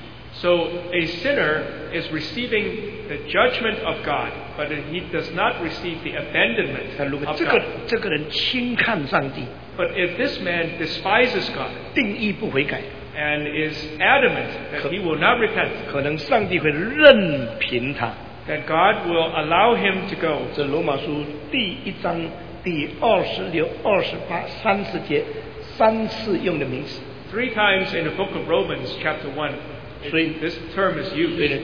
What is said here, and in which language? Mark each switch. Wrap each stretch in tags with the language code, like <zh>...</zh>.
<en>So a sinner is receiving the judgment of God, but he does not receive the abandonment of God. But if this man despises God,</en> <zh>定义不悔改,</zh> <en>and is adamant that he will not repent,</en> <zh>可能上帝会任凭他,</zh> <en>that God will allow him to go.</en> <zh>这罗马书第一章第二十六、二十八、三十节。</zh> <en>Three times in the book of Romans, chapter 1, this term is used.</en>